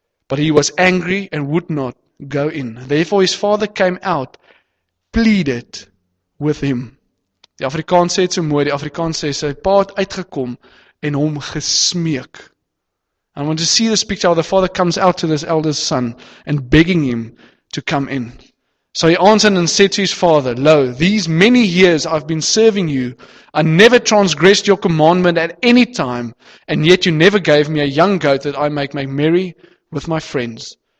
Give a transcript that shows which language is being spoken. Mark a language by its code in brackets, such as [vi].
[en] But he was angry and would not go in. Therefore his father came out, pleaded with him. [af] Die Afrikaans sê dit so mooi, die Afrikaans sê sy pa het uitgekom en hom gesmeek. [en] And I want to see this picture how the father comes out to this eldest son and begging him to come in. So he answered and said to his father, Lo, these many years I've been serving you, I never transgressed your commandment at any time, and yet you never gave me a young goat that I might make merry with my friends.